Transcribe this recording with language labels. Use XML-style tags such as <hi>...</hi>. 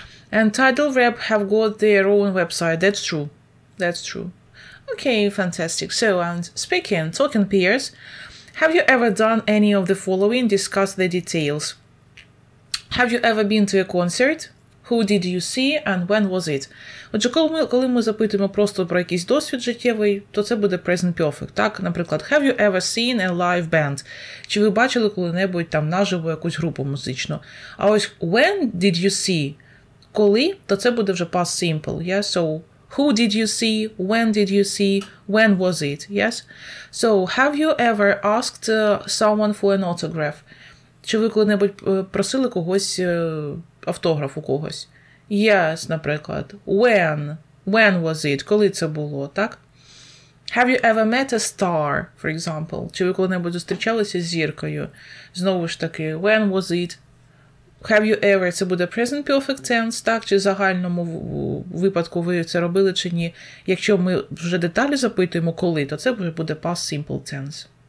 <en>And Tidal Rap have got their own website. That's true. Okay, fantastic. So, and talking peers, have you ever done any of the following? Discuss the details. Have you ever been to a concert? Who did you see and when was it?</en> <uk>Отже, коли ми запитуємо просто про якийсь досвід життєвий, то це буде present perfect.</uk> <en>Так, наприклад, have you ever seen a live band?</en> <uk>Чи ви бачили коли-небудь там наживо якусь групу музичну? А ось</uk> <en>when did you see?</en> <uk>Коли? То це буде вже past simple. Yes?</uk> <en>So, who did you see? When did you see? When was it? Yes? So, have you ever asked someone for an autograph?</en> <uk>Чи ви коли-небудь просили когось... автограф у когось. Yes, наприклад.</uk> <en>When was it?</en> <uk>Коли це було, так?</uk> <en>Have you ever met a star, for example?</en> <uk>Чи ви коли-небудь зустрічалися з зіркою? Знову ж таки,</uk> <en>when was it? Have you ever?</en> <uk>Це буде present perfect tense, так? Чи в загальному випадку ви це робили чи ні? Якщо ми вже деталі запитуємо, коли, то це вже буде past simple tense.</uk>